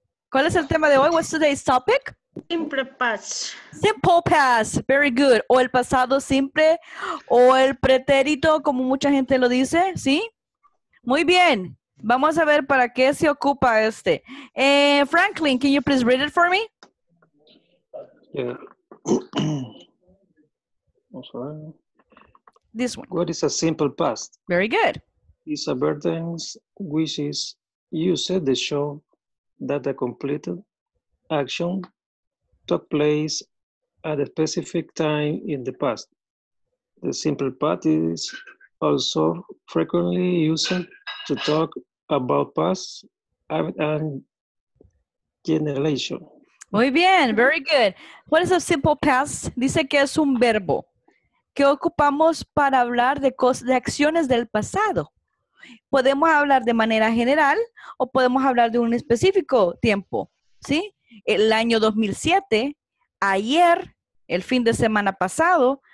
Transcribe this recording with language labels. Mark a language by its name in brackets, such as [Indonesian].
[Spanish] ¿Cuál es el tema de hoy? [English] What's today's topic? Simple past. Simple past. Very good. [Spanish] O el pasado simple. O el pretérito, como mucha gente lo dice. ¿Sí? Muy bien. Vamos a ver para qué se ocupa este. [English] Franklin, can you please read it for me? Yeah. This one. What is a simple past? Very good. It's a burden which is used to show that a completed action took place at a specific time in the past. The simple past is also frequently used to talk about past and generation. [Spanish] Muy bien, [English] very good. What is a simple past? [Spanish] Dice que es un verbo que ocupamos para hablar de cosas, de acciones del pasado. Podemos hablar de manera general o podemos hablar de un específico tiempo, ¿sí? El año 2007, ayer, el fin de semana pasado,